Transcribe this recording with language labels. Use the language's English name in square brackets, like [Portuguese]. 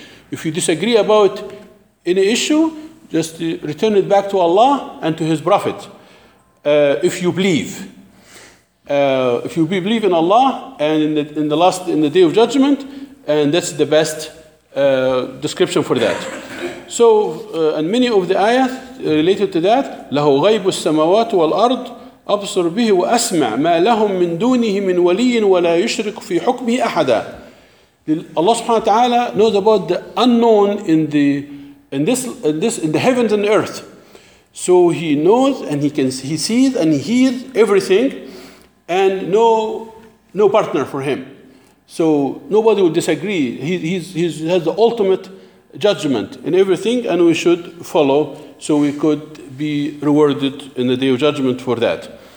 [English] If you disagree about any issue, just return it back to Allah and to His Prophet. If you believe. If you believe in Allah and in the day of judgment, and that's the best description for that. So, and many of the ayahs related to that, [Arabic] لَهُ غَيْبُ السَّمَوَاتُ وَالْأَرْضُ أَبْصُرْ بِهِ وَأَسْمَعْ مَا لَهُمْ مِنْ دُونِهِ مِنْ وَلِيٍّ وَلَا يُشْرِكْ فِي حُكْمِهِ أَحَدًا. [English] Allah subhanahu wa ta'ala knows about the unknown in the heavens and earth. So He knows and He sees and He hears everything, and no partner for Him. So nobody will disagree. He has the ultimate judgment in everything, and we should follow so we could be rewarded in the day of judgment for that.